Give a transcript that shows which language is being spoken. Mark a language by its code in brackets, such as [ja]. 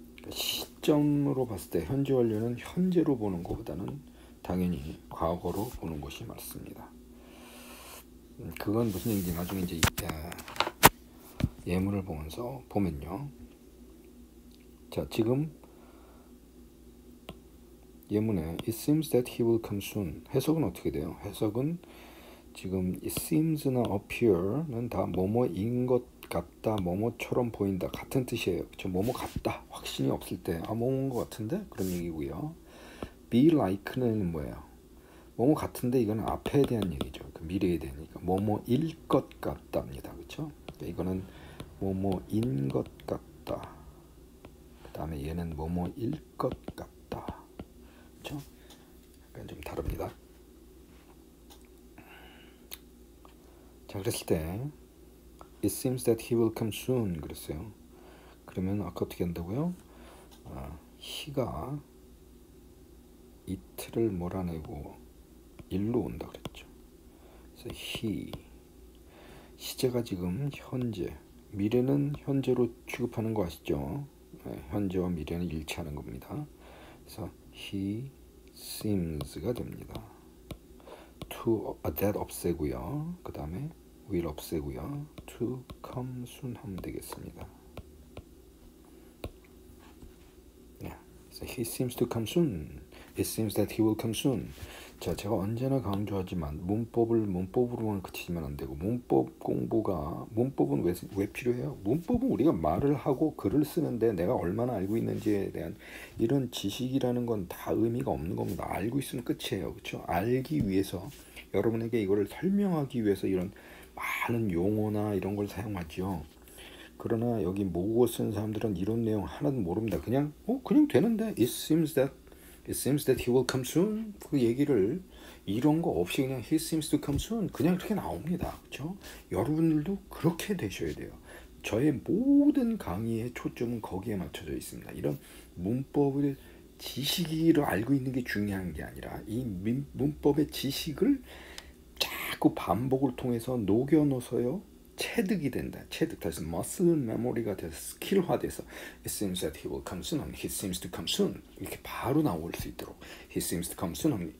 [ko] 시점으로 봤을 때 현재 완료는 현재로 보는 것보다는 당연히 과거로 보는 것이 맞습니다. 그건 무슨 얘기인지 나중에 이제 예문을 보면서 보면요. 자, 지금 예문에 [en] It seems that he will come soon. [ko] 해석은 어떻게 돼요? 해석은 지금 It seems나 appear는 다 뭐뭐인 것 같다, 뭐뭐처럼 보인다 같은 뜻이에요. 그쵸? 뭐뭐 같다, 확신이 없을 때 아, 뭐뭐인 것 같은데? 그런 얘기고요. Be like는 뭐예요? 뭐뭐 같은데 이건 앞에 대한 얘기죠. 그 미래에 대하니까 뭐뭐일 것 같답니다. 그쵸? 그러니까 이거는 뭐뭐인 것 같다. 그 다음에 얘는 뭐뭐일 것 같다. 약간 좀 다릅니다. 자, 그랬을 때 [en] It seems that he will come soon [ko] 그랬어요. 그러면 아까 어떻게 한다고요? He가 it를 몰아내고 일로 온다 그랬죠. 그래서 he 시제가 지금 현재 미래는 현재로 취급하는 거 아시죠? 현재와 미래는 일치하는 겁니다. 그래서 he seems가 됩니다. to that 없애고요. 그 다음에 will 없애고요. to come soon 하면 되겠습니다. [en] So he seems to come soon. It seems that he will come soon. [ko] 자, 제가 언제나 강조하지만 문법으로만 그치지만 안 되고 문법 공부가 문법은 왜 필요해요? 문법은 우리가 말을 하고 글을 쓰는데 내가 얼마나 알고 있는지에 대한 이런 지식이라는 건 다 의미가 없는 겁니다. 알고 있으면 끝이에요. 그렇죠? 알기 위해서 여러분에게 이거를 설명하기 위해서 이런 많은 용어나 이런 걸 사용하죠. 그러나 여기 모국어 쓴 사람들은 이런 내용 하나도 모릅니다. 그냥 그냥 되는데 [en] it seems that he will come soon [ko] 그 얘기를 이런 거 없이 그냥 [en] he seems to come soon [ko] 그냥 이렇게 나옵니다. 그렇죠? 여러분들도 그렇게 되셔야 돼요. 저의 모든 강의의 초점은 거기에 맞춰져 있습니다. 이런 문법을 지식으로 알고 있는 게 중요한 게 아니라 이 문법의 지식을 자꾸 반복을 통해서 녹여놓아서요 체득이 된다. 체득 다시 muscle memory가 돼서 스킬화돼서 [en] it seems that he will come soon. He seems to come soon. [ko] 이렇게 바로 나올 수 있도록 [en] he seems to come soon.